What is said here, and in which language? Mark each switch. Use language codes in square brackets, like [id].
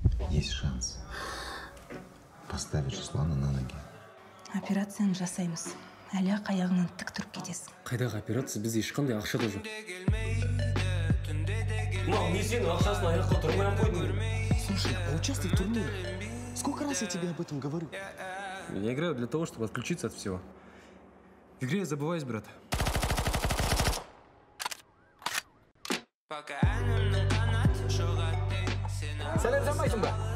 [ru] Есть шанс поставить Руслана на ноги. [kk] Операция на Жасаймус. Әлі қаяғынан тік тұрып кетесің. Қайдағы операция, біз ешқандай ақша да жоқ. Мам, не сен ақшасын аяққа тұрмай қойдың? [ru] Слушай, а участвовать в турнире? Сколько раз я тебе об этом говорю? Я играю для того, чтобы отключиться от всего. В игре я забываюсь, брат. [kk] Сәлем, замайсың ба?